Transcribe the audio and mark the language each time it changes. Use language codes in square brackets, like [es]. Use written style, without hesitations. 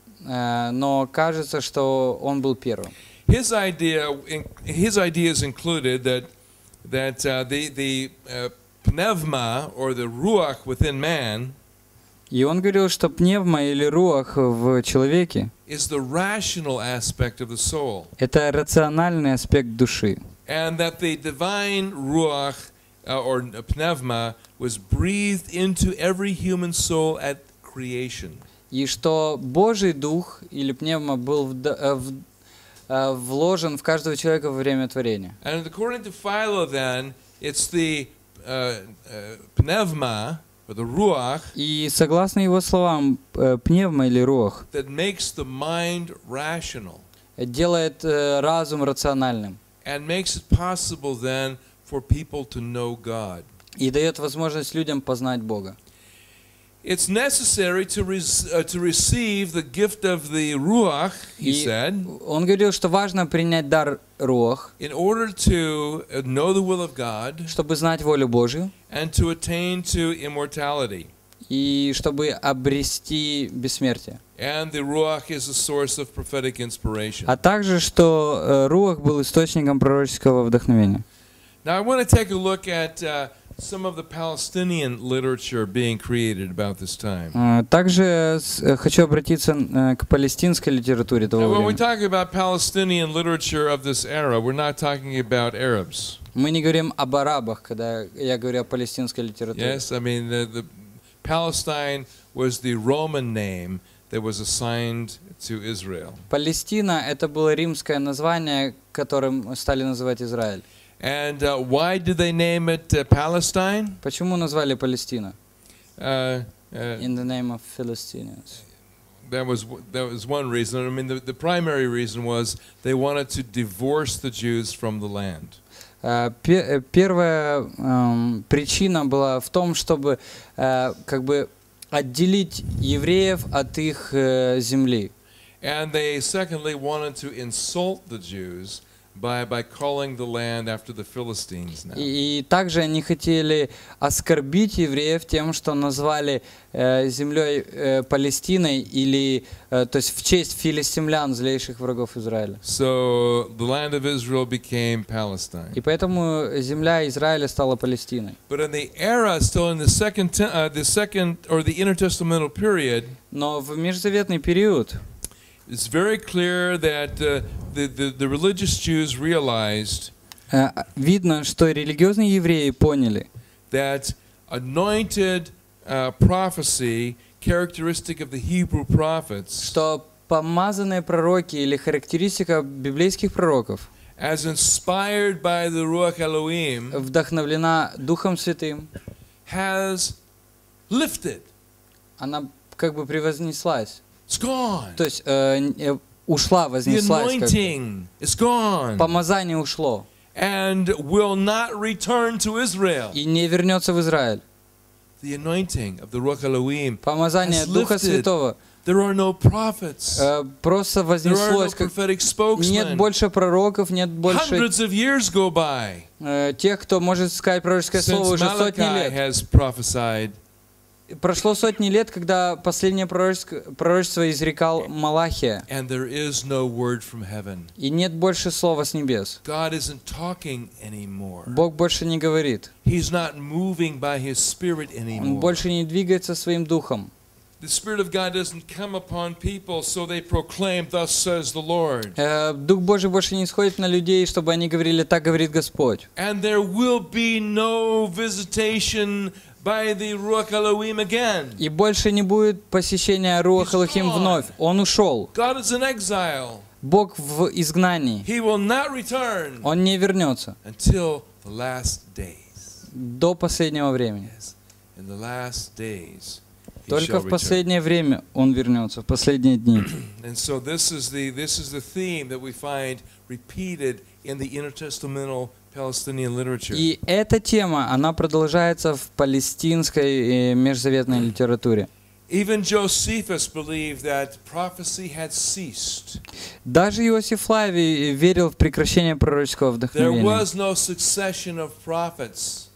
[ru] Но кажется, что он был первым. [en] His ideas included that the pneuma or the ruach within man. [ru] И он говорил, что пневма или руах в человеке [en] is the rational aspect of the soul. [ru] Это рациональный аспект души. [en] And that the divine ruach or pneuma was breathed into every human soul at creation. [ru] И что Божий дух или пневма был вложен в каждого человека во время творения. [en] And according to Philo, then it's the pneuma or the ruach. [ru] И согласно его словам, пневма или руах. [en] That makes the mind rational. [ru] Делает разум рациональным. [en] And makes it possible then for people to know God. [ru] И дает возможность людям познать Бога. [en] It's necessary to receive the gift of the ruach, he said. [ru] Он говорил, что важно принять дар руах. [en] In order to know the will of God. [ru] Чтобы знать волю Божию. [en] And to attain to immortality. [ru] И чтобы обрести бессмертие. [en] And the ruach is a source of prophetic inspiration. [ru] А также, что руах был источником пророческого вдохновения. [en] Now I want to take a look at some of the Palestinian literature being created about this time. [ru] Также хочу обратиться к палестинской литературе того времени. [en] When we talk about Palestinian literature of this era, we're not talking about Arabs. [ru] Мы не говорим об арабах, когда я говорю о палестинской литературе. [en] Yes, I mean the Palestine was the Roman name that was assigned to Israel. [ru] Палестина это было римское название, которым стали называть Израиль. [en] And why did they name it Palestine? [ru] Почему назвали Палестина? [en] In the name of Philistines. That was one reason. I mean, the primary reason was they wanted to divorce the Jews from the land. [ru] Первая причина была в том, чтобы как бы отделить евреев от их земли. [en] And they secondly wanted to insult the Jews. By calling the land after the Philistines now. [ru] И также они хотели оскорбить евреев тем, что назвали землей Палестиной или то есть в честь филистимлян, злейших врагов Израиля. [en] So the land of Israel became Palestine. [ru] И поэтому земля Израиля стала Палестиной. [en] But in the era still in the second or the intertestamental period. [ru] Но в межзаветный период. [en] It's very clear that the religious Jews realized [ru] видно, что религиозные евреи поняли [en] that anointed prophecy, characteristic of the Hebrew prophets, [ru] что помазанные пророки или характеристика библейских пророков, [en] as inspired by the Ruach Elohim, [ru] вдохновлена Духом Святым, [en] has lifted, [ru] она как бы превознеслась, [en] it's gone, [ru] то есть ушла, вознеслась, [en] the anointing is gone, [ru] помазание ушло, [en] and will not return to Israel, [ru] и не вернется в Израиль. [en] The anointing of the Ruach Elohim, [ru] помазание Духа Святого, [en] there are no prophets, [ru] просто вознеслось, [en] there are no prophetic spokesmen, [ru] нет больше пророков, нет больше, [en] hundreds of years go by, [ru] тех, кто может сказать пророческое слово, уже сотни лет, [en] has prophesied, [ru] прошло сотни лет, когда последнее пророчество изрекал Малахия, [en] and there is no word from heaven, [ru] и нет больше слова с небес, [en] God isn't talking anymore, [ru] Бог больше не говорит, [en] he's not moving by his spirit anymore, [ru] он больше не двигается своим духом. [en] The Spirit of God doesn't come upon people, so they proclaim, "Thus says the Lord." [ru] Дух Божий больше не сходит на людей, чтобы они говорили, так говорит Господь. [en] And there will be no visitation by the Ruach Elohim again. [ru] И больше не будет посещения Руах Элохим вновь. Он ушел. [en] God is in exile. [ru] Бог в изгнании. [en] He will not return. [ru] Он не вернется. [en] Until the last days. [ru] До последнего времени. [en] In the last days. [ru] Только в последнее время он вернется, в последние дни. [en] And so this is the theme that we find repeated in the intertestamental Palestinian literature. [ru] И эта тема, она продолжается в палестинской межзаветной литературе. [en] Even Josephus believed that prophecy had ceased. [ru] Даже Иосиф Флавий верил в прекращение пророческого вдохновения. [en] There was no succession of prophets.